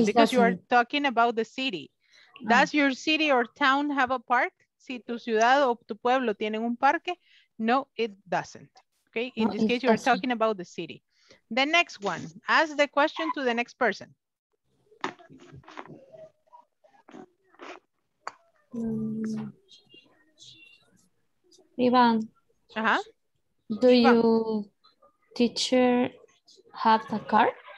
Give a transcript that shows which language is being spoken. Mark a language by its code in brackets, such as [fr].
[en] No, because you are talking about the city. Does your city or town have a park? [es] Si tu ciudad o tu pueblo tienen un parque? [en] No, it doesn't. Okay, in no, this case, you are talking about the city. The next one, ask the question to the next person. Ivan, do you teacher have a car?